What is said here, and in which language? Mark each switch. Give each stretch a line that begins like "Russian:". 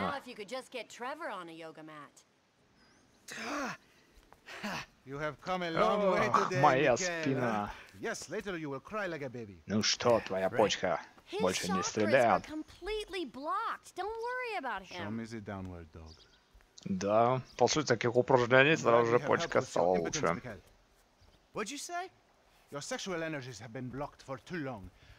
English: Now, if you could just get Trevor on a yoga mat. You have come a long way today, Michael.
Russian: Моя спина.
English: Yes, later you will cry like a baby.
Russian: Ну что, твоя почка больше не стреляет.
English: Completely blocked. Don't worry about him. Show me the downward dog.
Russian: Да, после таких упражнений сразу же почка стала лучше.
English: What'd you say? Your sexual energies have been blocked for too long.